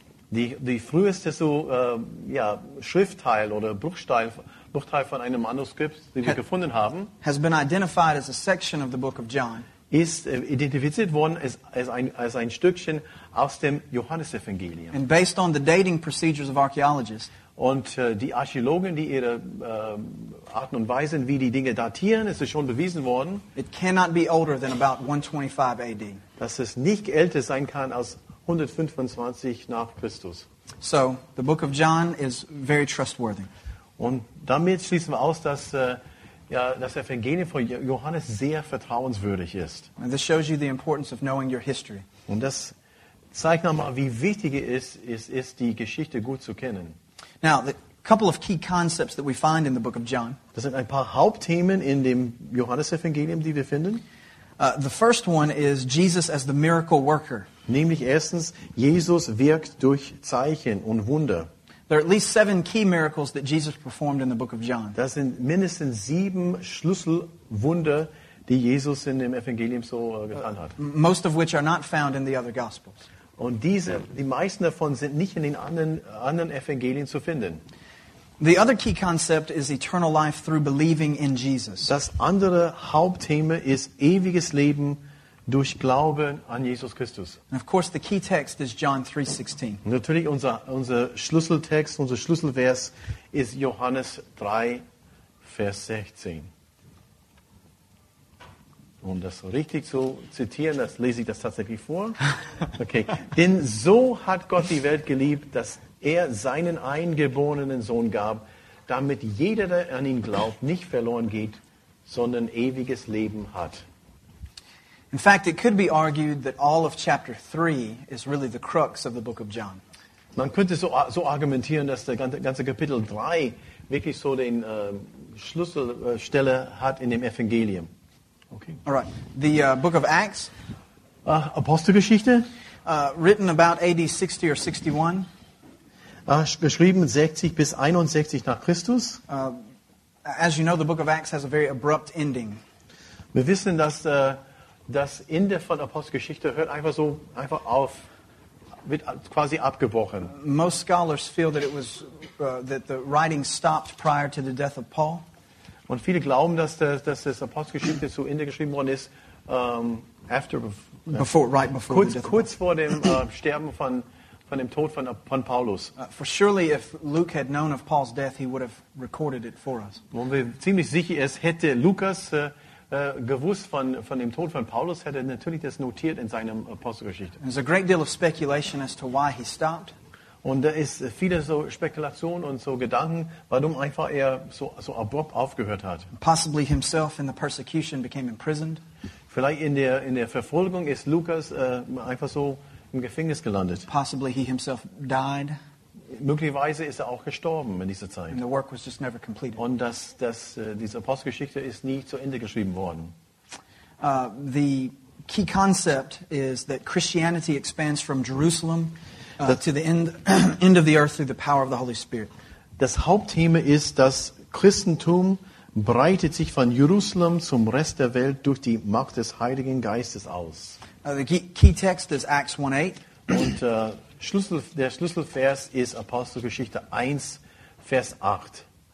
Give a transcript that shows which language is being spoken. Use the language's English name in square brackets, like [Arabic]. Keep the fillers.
[German] Die, die früheste so uh, ja, Schriftteil oder Bruchteil Bruchteil von einem Manuskript, den wir gefunden haben. [English] Has been identified as a section of the book of John. [German] ist identifiziert worden als, ein, als ein Stückchen aus dem Johannesevangelium. [English] And based on the dating procedures of [German] Und äh, die Archäologen, die ihre äh, Arten und Weise, wie die Dinge datieren, ist es schon bewiesen worden. [English] It cannot [German] Dass es nicht älter sein kann als 125 nach Christus. [English] So, the book of John is very trustworthy. [German] Und damit schließen wir aus, dass äh, ja, das Evangelium von Johannes sehr vertrauenswürdig ist. [English] And this shows you the importance of knowing your history. [German] Und das zeigt nochmal, wie wichtig es ist, ist, die Geschichte gut zu kennen. [English] Now, the couple of key concepts that we find in the book of John. [German] Das sind ein paar Hauptthemen in dem Johannesevangelium, die wir finden. [English] Uh, the first one is Jesus as the miracle worker. [German] Nämlich erstens, Jesus wirkt durch Zeichen und Wunder. [English] There are at least seven key miracles that Jesus performed in the book of John. [German] Das sind mindestens sieben Schlüsselwunder, die Jesus in dem Evangelium so getan hat. [English] Uh, most of which are not found in the other gospels. [German] Und diese, yeah. die meisten davon sind nicht in den anderen, anderen Evangelien zu finden. [English] The other key concept is eternal life through believing in Jesus. [German] Das andere Hauptthema ist ewiges Leben durch Glauben an Jesus Christus. [English] And of course the key text is John 3:16. [German] Natürlich unser unser Schlüsseltext, unser Schlüsselvers ist Johannes 3 Vers 16. Um das richtig zu zitieren, das lese ich das tatsächlich vor. Okay, denn so hat Gott die Welt geliebt, dass er seinen eingeborenen Sohn gab, damit jeder der an ihn glaubt, nicht verloren geht, sondern ewiges Leben hat. [English] In fact, it could be argued that all of chapter 3 is really the crux of the book of John. [German] Man könnte so, so argumentieren, dass der ganze, ganze Kapitel 3 wirklich so den uh, Schlüsselstelle uh, hat in dem Evangelium. [English] Okay. All right. The uh, book of Acts. Uh, Apostelgeschichte. written about AD 60 or 61. [German] beschrieben 60 bis 61 nach Christus. [English] as you know, the book of Acts has a very abrupt ending. [German] Wir wissen, dass... das Ende von Apostelgeschichte hört einfach so einfach auf, wird quasi abgebrochen. [English] Most scholars feel that it was uh, that the writing stopped prior to the death of Paul. [German] Und viele glauben, dass das, dass das Apostelgeschichte zu Ende geschrieben worden ist, um, [English] after, uh, before, right before [German] kurz, kurz, vor dem uh, Sterben von von dem Tod von, von, Paulus. [English] Uh, for surely, if Luke had known of Paul's death, he would have recorded it for us. [German] Und wir ziemlich sicher, es hätte Lukas Uh, gewusst von, von dem Tod von Paulus, hätte natürlich das notiert in seinem Apostelgeschichte. [English] There's a great deal of speculation as to why he stopped. [German] Und da ist viele so Spekulationen und so Gedanken, warum einfach er so, so abrupt aufgehört hat. [English] Possibly himself in the persecution became imprisoned. [German] Vielleicht in der, in der Verfolgung ist Lukas uh, einfach so im Gefängnis gelandet. [English] Possibly he himself died [German] möglicherweise ist er auch gestorben in dieser Zeit. Und das, das, diese Apostelgeschichte ist nie zu Ende geschrieben worden. [English] Uh, the key concept is that Christianity expands from Jerusalem uh, das, to the end, end, of the earth through the power of the Holy Spirit. [German] Das Hauptthema ist, dass Christentum breitet sich von Jerusalem zum Rest der Welt durch die Macht des Heiligen Geistes aus. [English] Uh, the key, text is Acts 1:8. [German] Und uh, der Schlüsselvers ist Apostelgeschichte 1, Vers 8.